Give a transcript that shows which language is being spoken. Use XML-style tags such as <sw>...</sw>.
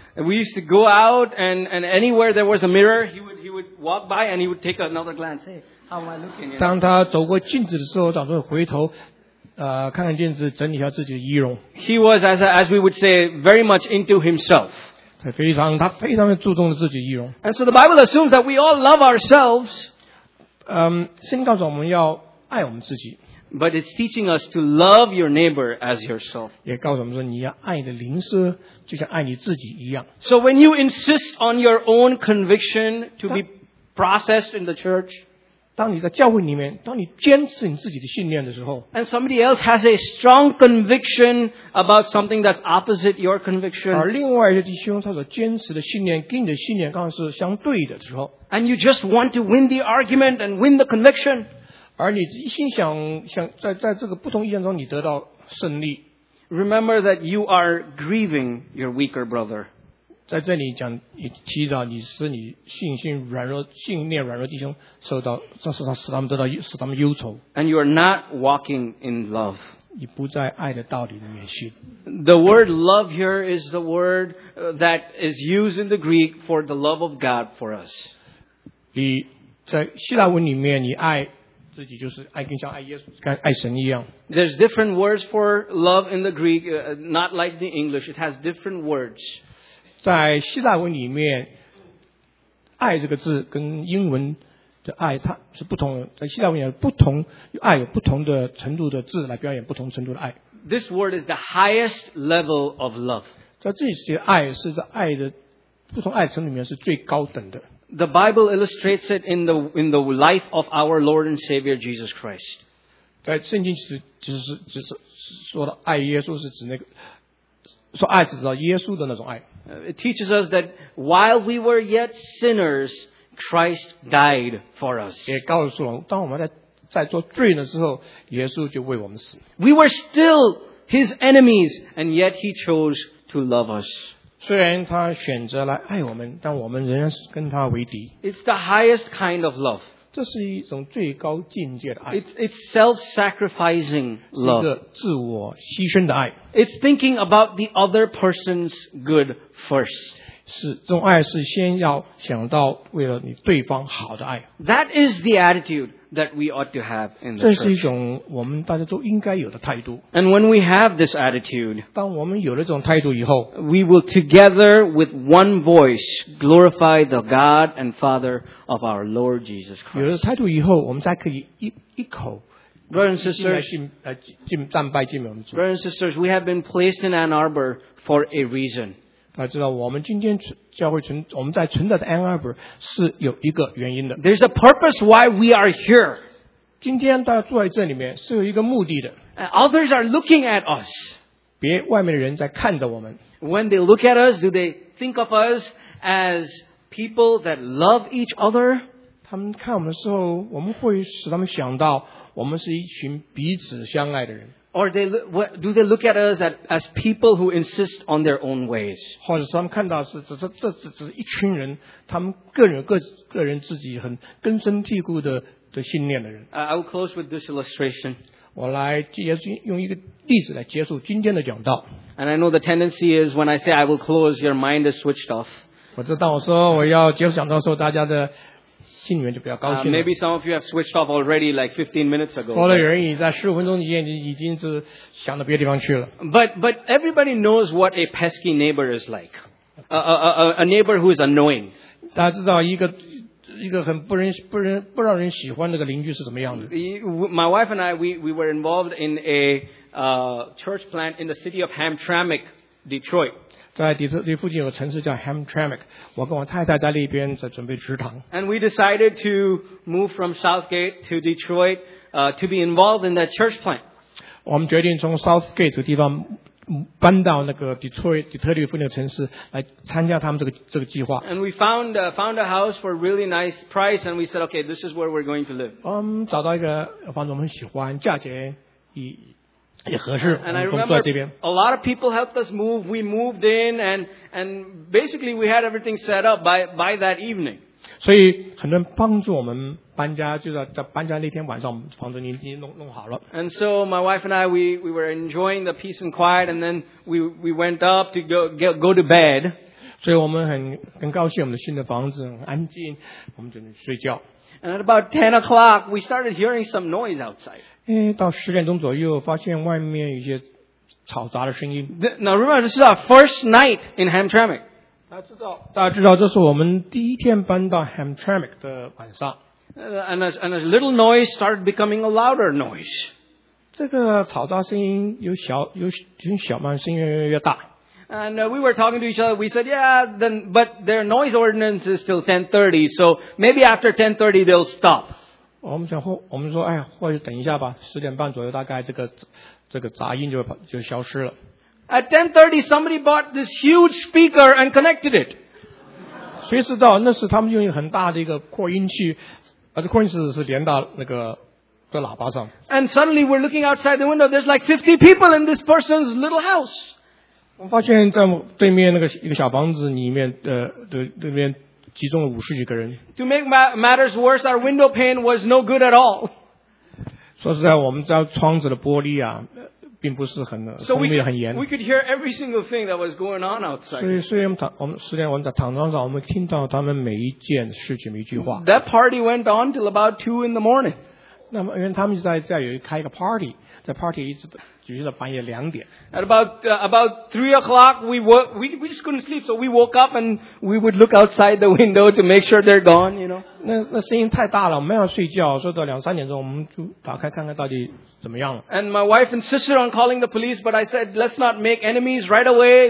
<en>We used to go out and anywhere there was a mirror, he would walk by and he would take another glance. Hey, how am I looking?</en> <zh>当他走过镜子的时候，总是回头，看看镜子，整理一下自己的仪容。</zh> <en>He was as we would say very much into himself.</en> <zh>他非常注重自己的仪容。</zh> <en>And so the Bible assumes that we all love ourselves.</en> <zh>圣经告诉我们要爱我们自己。</zh> <en>But it's teaching us to love your neighbor as yourself.</en> <zh>也告诉我们说你要爱你的邻舍就像爱你自己一样。</zh> <en>So when you insist on your own conviction to be processed in the church,</en> <zh>当你在教会里面当你坚持你自己的信念的时候</zh> <en>and somebody else has a strong conviction about something that's opposite your conviction,</en> <zh>而另外一些弟兄他所坚持的信念跟你的信念刚好是相对的时候</zh> <en>and you just want to win the argument and win the conviction,</en> <zh>而你一心想 在这个不同意见中你得到胜利</zh> <en>remember that you are grieving your weaker brother.</en> <zh>在这里讲，你提到你使你信心软弱、信念软弱弟兄受到，使他们忧愁。</zh> <en>And you are not walking in love.</en> <zh>你不在爱的道理里面行。</zh> <en>The word love here is the word that is used in the Greek for the love of God for us.</en> <zh>你在希腊文里面，你爱自己就是爱，跟像爱耶稣、爱神一样。</zh> <en>There's different words for love in the Greek, not like the English. It has different words.</en> <zh>在希腊文里面，爱这个字跟英文的爱它是不同的，在希腊文也不同，爱有不同的程度的字来表演不同程度的爱。</zh> <en>This word is the highest level of love.</en> <zh>在这里写爱是在爱的不同爱程里面是最高等的。</zh> <en>The Bible illustrates it in the life of our Lord and Savior Jesus Christ.</en> <zh>在圣经只是说的爱耶稣是指那个说爱是指到耶稣的那种爱。</zh> <en>It teaches us that while we were yet sinners, Christ died for us.</en> <zh>也告诉了当我们在做罪的时候，耶稣就为我们死。</zh> <en>We were still His enemies, and yet He chose to love us.</en> <zh>虽然他选择来爱我们，但我们仍然是跟他为敌。</zh> <en>It's the highest kind of love.</en> <zh>这是一种最高境界的爱。</zh> <en>It's self-sacrificing love.</en> <zh>是一个自我牺牲的爱。</zh> <en>It's thinking about the other person's good first.</en> <zh>是这种爱是先要想到为了你对方好的爱。</zh> <en>That is the attitude that we ought to have in the church.</en> <zh>这是一种我们大家都应该有的态度。</zh> <en>And when we have this attitude,</en> <zh>当我们有了这种态度以后，</zh> <en>we will together with one voice glorify the God and Father of our Lord Jesus Christ.</en> <zh>有了态度以后，我们才可以一口。</zh> <en>Brothers and sisters, we have been placed in Ann Arbor for a reason.</en> <zh>大家知道我们今天教会我们在存在的 Ann Arbor 是有一个原因的。</zh> <en>There's a purpose why we are here.</en> <zh>今天大家坐在这里面是有一个目的的。</zh> <en>Others are looking at us.</en> <zh>别外面的人在看着我们。</zh> <en>When they look at us, do they think of us as people that love each other?</en> <zh>他们看我们的时候，我们会使他们想到我们是一群彼此相爱的人。</zh> <en>Or do they look at us as people who insist on their own ways?</en> <zh>或者他们看到是只一群人，他们个人自己很根深蒂固的信念的人。</zh> <en>I will close with this illustration.</en> <zh>我来用一个例子来结束今天的讲道。</zh> <en>And I know the tendency is when I say I will close, your mind is switched off.</en> <zh>我知道我说我要结束讲道的时候，大家的心里面就比较高兴。</zh> <en>Maybe some of you have switched off already like 15 minutes ago.</en> <zh>或者有人在15分钟以前已经是想到别的地方去了。</zh> <en>But everybody knows what a pesky neighbor is like. A neighbor who is annoying.</en> <zh>大家知道一个很不让人喜欢那个邻居是怎么样的。</zh> <en>My wife and I, we were involved in a church plant in the city of Hamtramck, Detroit.</en> <zh>在底特律附近有个城市叫 Hamtramck， 我跟我太太在那边在准备职堂。</zh> <en>And we decided to move from Southgate to Detroit, to be involved in that church plant.</en> <zh>我们决定从 Southgate 这个地方搬到那个 Detroit 底特律附近的城市来参加他们这个计划。</zh> <en>And we found a house for a really nice price, and we said, okay, this is where we're going to live.</en> <zh>我们找到一个房子我们喜欢，价钱也合适。</zh> <en>And I remember a lot of people helped us move. We moved in and basically we had everything set up by that evening.</en> <zh>所以很多人帮助我们搬家，就是在搬家那天晚上房子已经弄好了。</zh> <en>And so my wife and I, we were enjoying the peace and quiet, and then we went up to go to bed.</en> <zh>所以我们很高兴我们的新的房子很安静，我们准备睡觉。</zh> <en>And at about 10 o'clock, we started hearing some noise outside.</en> <zh>到十点钟左右发现外面有些吵杂的声音。</zh> <en>Now remember, this is our first night in Hamtramck.</en> <zh>大家知道这是我们第一天搬到 Hamtramck 的晚上。</zh> <en>And a little noise started becoming a louder noise.</en> <zh>这个吵杂声音有小慢声音越大。</zh> <en>And we were talking to each other. We said, yeah, but their noise ordinance is till 10:30. So maybe after 10:30, they'll stop.</en> <zh>我们说哎呀，或许等一下吧，十点半左右大概这个杂音就消失了。</zh> <en>At 10:30, somebody bought this huge speaker and connected it.</en> <zh>谁知道那是他们用一个很大的一个扩音器，这扩音器是连到那个的喇叭上。</zh> <en>And suddenly we're looking outside the window. There's like 50 people in this person's little house.</en> <zh>我发现在对面那个一个小房子里面的那边集中了五十几个人。</zh> <en>To make matters worse, our window pane was no good at all.</en> <zh>说实在我们家窗子的玻璃啊并不是很封闭很严。</zh> <en>We could hear every single thing that was going on outside.</en> <zh>虽然我们在躺床上，我们听到他们每一件事情每一句话。</zh> <en>That party went on till about 2 in the morning.</en> <zh>那么因为他们在有开一个 party， 在 party 一直举行到半夜两点。</zh> <en>At about 3 o'clock, we just couldn't sleep, so we woke up and we would look outside the window to make sure they're gone, you know.</en> <zh>那声音太大了，我们要睡觉，睡到两三点钟，我们就打开看看到底怎么样了。</zh> <en>And my wife insisted on calling the police, but I said, let's not make enemies right away.</en>